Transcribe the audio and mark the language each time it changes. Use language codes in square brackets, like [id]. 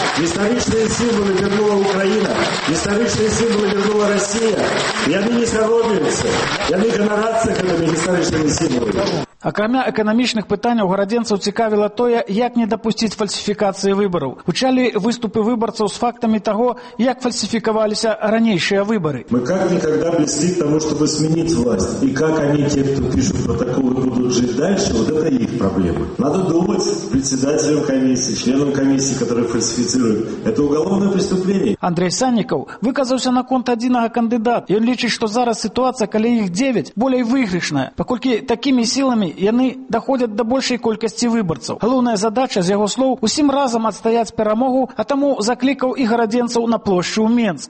[be] Гістарычныя сімвалы вернула Украіна. Гістарычныя сімвалы вернула Расія. Яны не саромеюцца. Яны ганарацца гэтымі гістарычнымі сімвалами. Акрамя эканамічных пытанняў гарадзенцаў цікавіла тое, як не дапусціць фальсіфікацыі выбараў. Гучалі выступы выбарцаў з фактамі таго, як фальсіфікаваліся ранейшыя выбары. [ru] Мы как никогда близки к тому, чтобы сменить власть. И как они, те, кто пишут протоколы, будут жить дальше, вот это их проблема. Надо думать председателям комиссии, членам комиссии, которые фальсифицируют. Это уголовное преступление. [be] Андрэй Саннікаў выказаўся на конт адзінага кандыдата. Ён лічыць, што зараз сітуацыя, калі іх 9, болей выйгрышная, паколькі такімі сіламі яны даходзяць да большай колькасці выбарцаў. Галоўная задача, з яго слоў, усім разам адстаяць перамогу, а таму заклікаў і гарадзенцаў на плошчы ў Менск.